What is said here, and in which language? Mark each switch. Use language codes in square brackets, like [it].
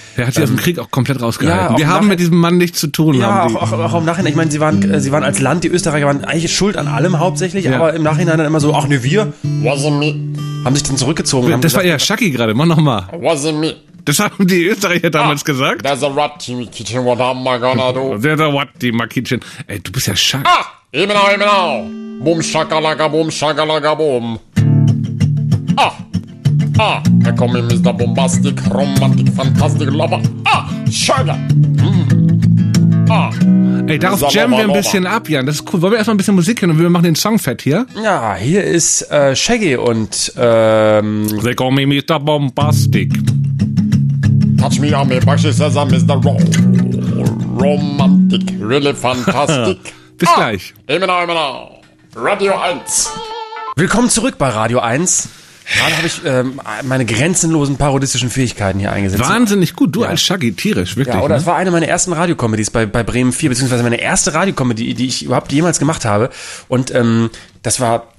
[de] Er hat sich aus dem Krieg auch komplett rausgehalten. Ja, auch wir haben mit diesem Mann nichts zu tun. Ja, auch im Nachhinein, ich meine, sie waren als Land, die Österreicher waren eigentlich schuld an allem hauptsächlich, aber im Nachhinein dann immer so, ach ne, wir haben sich dann zurückgezogen. Das gesagt, war eher Schacki gerade, mach nochmal. Das haben die Österreicher damals gesagt. [en] There's a rat in my kitchen, what am I gonna do? There's a rat in my kitchen. [de] Ey, du bist ja Schack. Ah! Genau. Boom, shakalaka, boom, shakalaka, boom. Ah, da komme ich Mr. Bombastic, Romantik, Fantastik, Lover. Ah, Sugar. Ey, darauf jammen wir ein bisschen ab, Jan. Das ist cool. Wollen wir erstmal ein bisschen Musik hören und wir machen den Song fett hier? Ja, hier ist Shaggy und [en] They call me Mr. Bombastic. Touch me on me, Bashi says I'm Mr. Romantik, really fantastic. [de] Bis gleich. Immer noch. Radio 1. Willkommen zurück bei Radio 1. Gerade habe ich meine grenzenlosen parodistischen Fähigkeiten hier eingesetzt. Wahnsinnig gut. Du als Shaggy, tierisch, wirklich. Ja, oder ne? Das war eine meiner ersten Radiokomedies bei Bremen 4, beziehungsweise meine erste Radiokomödie, die ich überhaupt jemals gemacht habe. Und das war...